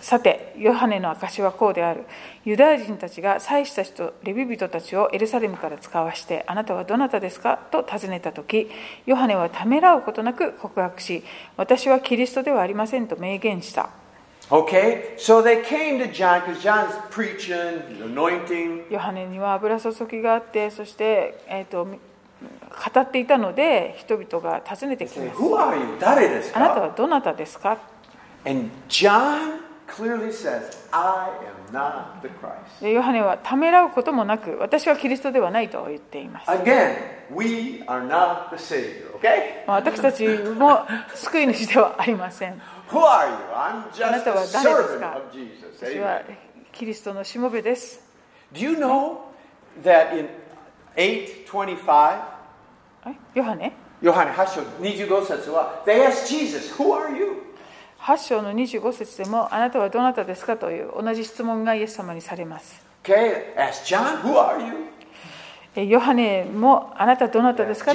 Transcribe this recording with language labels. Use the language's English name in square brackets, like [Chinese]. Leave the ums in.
[Japanese] さて、ヨハネの証はこうである。ユダヤ人たちが祭司たちとレビ人たちをエルサレムから使わして、あなたはどなたですかと尋ねたとヨハネはためらうことなく告白し、私はキリストではありませんと明言した。 [English] Okay? So they came to John because John's preaching, anointing. [Japanese] ヨハネには油注ぎがあって、そして、えー、と語っていたので、人々が訪ねてきます。 [English] Say, Who are you? [Japanese] 誰ですかあなたはどなたですか [English] And John clearly says, I am not the Christ. [Japanese] ヨハネはためらうこともなく、私はキリストではないと言っています。 [English] Again, we are not the Savior, okay? [Japanese] 私たちも救い主ではありません。 [English] Who are you? I'm just [Japanese] あなたは誰ですか私はキリストのしもべです。 [English] Do you know that in 825? [Japanese] ヨハネヨハネ8章25節は、 [English] They asked Jesus, Who are you? [Japanese] 8章の25節でも、あなたはどなたですかという同じ質問がイエス様にされます。 [English] Okay, ask John, Who are you? [Japanese] ヨハネもあなたどなたですか、yeah.